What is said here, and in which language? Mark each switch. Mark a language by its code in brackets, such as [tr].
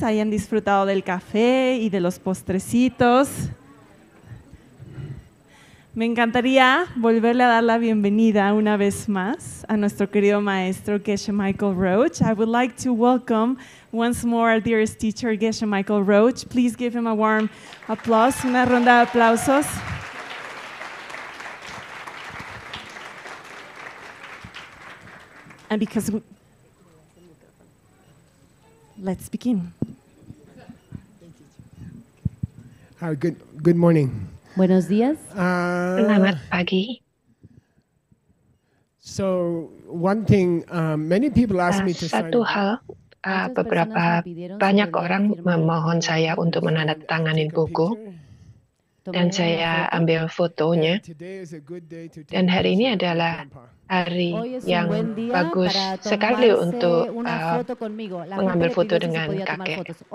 [es] Hayan disfrutado del café y de los postrecitos. Me encantaría volverle a dar la bienvenida una vez más a nuestro querido maestro Geshe Michael Roach. [en] I would like to welcome once more our dearest teacher Geshe Michael Roach. Please give him a warm applause, [es] una ronda de aplausos. [en] And because we... Let's begin. Thank you. Good morning. [es] Buenos días. [id] Selamat pagi. [en] So, one thing, many people ask me to sign. [id] Satu hal, beberapa banyak orang memohon saya untuk menandatangani buku dan saya ambil fotonya. Dan hari ini adalah hari yang bagus sekali untuk mengambil foto dengan kakek.